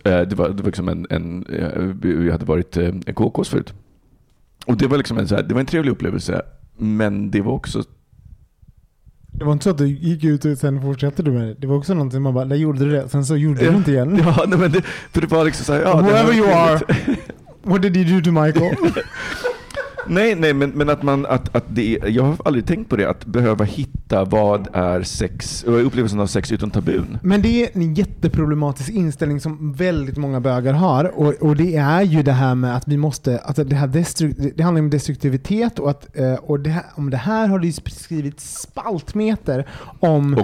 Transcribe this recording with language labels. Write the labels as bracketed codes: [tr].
[sv] Det var liksom en vi hade varit en kokos förut. Och det var liksom en så här, det var en trevlig upplevelse, men det var också. Det var inte så att du gick ut och sen fortsatte du med det. Det var också någonting man bara, där gjorde du det. Sen så gjorde du det inte igen. Ja, nej, men det, för det var liksom så här, ja, [en] whoever you are, what did you do to Michael? [sv] nej, men att man, att det, jag har aldrig tänkt på det, att behöva hitta vad är sex, upplevelsen av sex utan tabun. Men det är en jätteproblematisk inställning som väldigt många bögar har. Och det är ju det här med att vi måste, att det här det handlar om destruktivitet, och att och det här, om det här har du skrivit spaltmeter om.